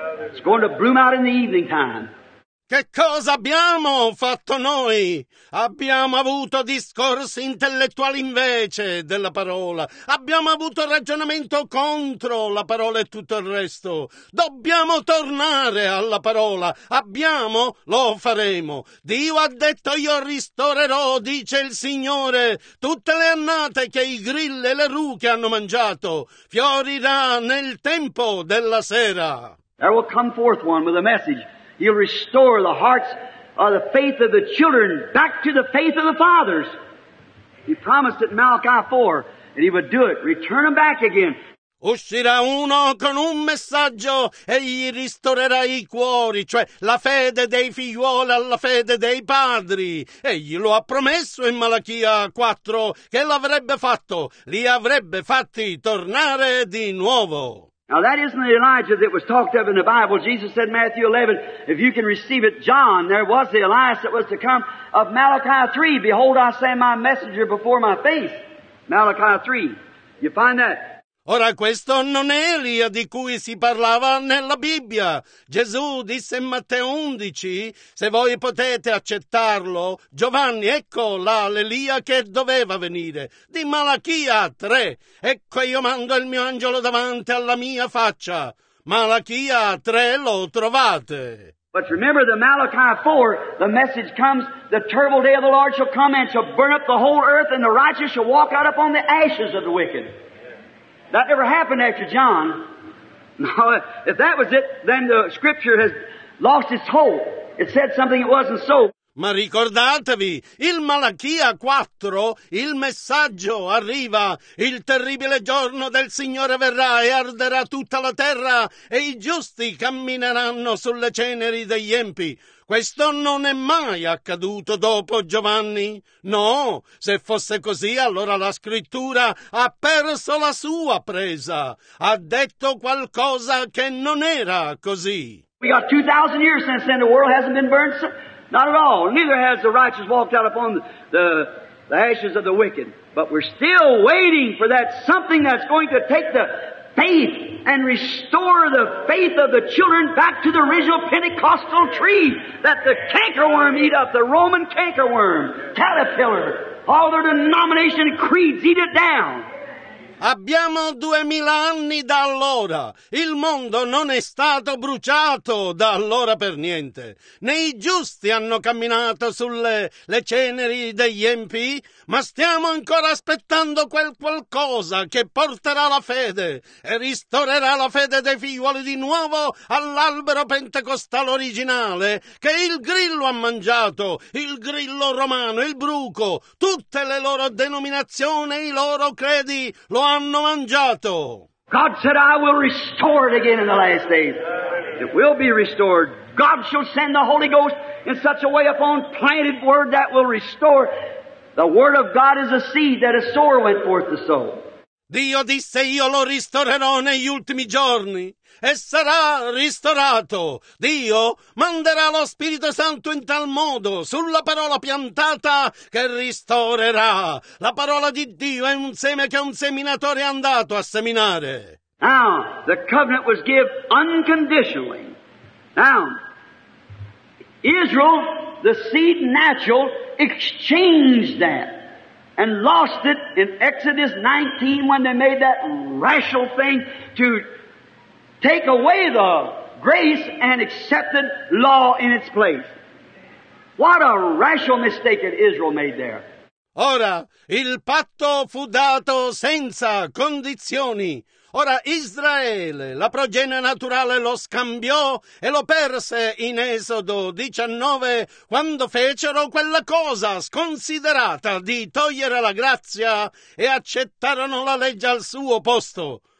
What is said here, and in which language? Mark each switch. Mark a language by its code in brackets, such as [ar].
[en] It's going to bloom out in the evening time. [it] Che cosa abbiamo fatto noi? Abbiamo avuto discorsi intellettuali invece della parola. Abbiamo avuto ragionamento contro la parola e tutto il resto. Dobbiamo tornare alla parola. Abbiamo? Lo faremo. Dio ha detto io ristorerò, dice il Signore, tutte le annate che i grilli e le ruche hanno mangiato. Fiorirà nel tempo della sera. [en] There will come forth one with a message. He'll restore the hearts of the faith of the children back to the faith of the fathers. He promised it in Malachi 4, and he would do it. Return them back again. [it] Uscirà uno con un messaggio e gli ristorerà i cuori, cioè la fede dei figliuoli alla fede dei padri. Egli lo ha promesso in Malachia 4 che l'avrebbe fatto, li avrebbe fatti tornare di nuovo. [en] Now that isn't the Elijah that was talked of in the Bible. Jesus said in Matthew 11, if you can receive it, John, there was the Elias that was to come of Malachi 3. Behold, I send my messenger before my face. Malachi 3. You find that? [it] Ora questo non è Elia di cui si parlava nella Bibbia. Gesù disse in Matteo 11, se voi potete accettarlo, Giovanni, ecco là l'Elia che doveva venire, di Malachia 3. Ecco io mando il mio angelo davanti alla mia faccia. Malachia 3 lo trovate. [en] But remember the Malachi 4, the message comes, the terrible day of the Lord shall come and shall burn up the whole earth and the righteous shall walk out upon the ashes of the wicked. That never happened after John. Now, if that was it, then the scripture has lost its hope. It said something it wasn't so. [it] Ma ricordatevi, il Malachia 4, il messaggio arriva, il terribile giorno del Signore verrà e arderà tutta la terra e i giusti cammineranno sulle ceneri degli empi. Questo non è mai accaduto dopo Giovanni. No, se fosse così allora la scrittura ha perso la sua presa, ha detto qualcosa che non era così. [en] We got 2,000 years since then, the world hasn't been burned. Not at all. Neither has the righteous walked out upon the ashes of the wicked. But we're still waiting for that something that's going to take the faith and restore the faith of the children back to the original Pentecostal tree that the cankerworm eat up, the Roman cankerworm, caterpillar, all their denomination creeds eat it down. [it] Abbiamo 2000 anni da allora. Il mondo non è stato bruciato da allora per niente. Né i giusti hanno camminato sulle le ceneri degli empi, ma stiamo ancora aspettando quel qualcosa che porterà la fede e ristorerà la fede dei figlioli di nuovo all'albero pentecostale originale che il grillo ha mangiato, il grillo romano, il bruco, tutte le loro denominazioni, i loro credi lo hanno mangiato. [en] God said I will restore it again in the last days. It will be restored. God shall send the Holy Ghost in such a way upon planted word that will restore. The word of God is a seed that a sower went forth to sow. [it] Dio disse io lo ristorerò negli ultimi giorni e sarà ristorato. Dio manderà lo Spirito Santo in tal modo sulla parola piantata che ristorerà. La parola di Dio è un seme che un seminatore è andato a seminare. [en] Now, the covenant was given unconditionally. Now, Israel, the seed natural, exchanged that. And lost it in Exodus 19 when they made that rational thing to take away the grace and accepted law in its place. What a rational mistake that Israel made there. [it] Ora, il patto fu dato senza condizioni. Ora Israele, la progenie naturale, lo scambiò e lo perse in Esodo 19 quando fecero quella cosa sconsiderata di togliere la grazia e accettarono la legge al suo posto.